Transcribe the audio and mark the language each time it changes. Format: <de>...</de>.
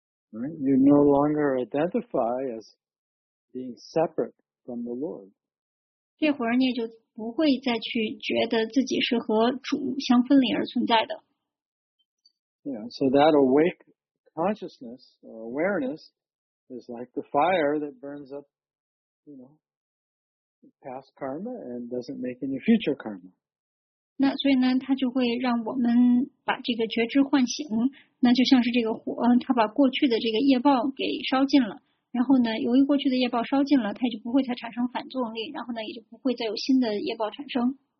<en>You no longer identify as being separate from the Lord.</en> <zh>这会儿你也就不会再去觉得自己是和主相分离而存在的。</zh> <en>Yeah, so that awake consciousness or awareness is like the fire that burns up, you know, past karma and doesn't make any future karma.</en> <zh>那所以呢，它就会让我们把这个觉知唤醒，那就像是这个火，它把过去的这个业报给烧尽了。然后呢，由于过去的业报烧尽了，它就不会再产生反作用力，然后呢，也就不会再有新的业报产生。</zh>